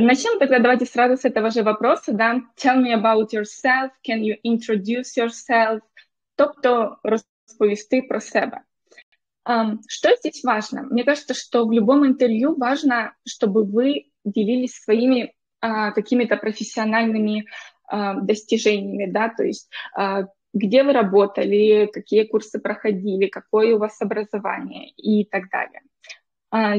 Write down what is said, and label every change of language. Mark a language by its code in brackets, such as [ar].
[ru] Начнем тогда, давайте сразу с этого же вопроса, да. [en] Tell me about yourself, can you introduce yourself? [uk] Тобто розповісти про себе. [ru] Что здесь важно? Мне кажется, что в любом интервью важно, чтобы вы делились своими какими-то профессиональными достижениями, да, то есть где вы работали, какие курсы проходили, какое у вас образование и так далее.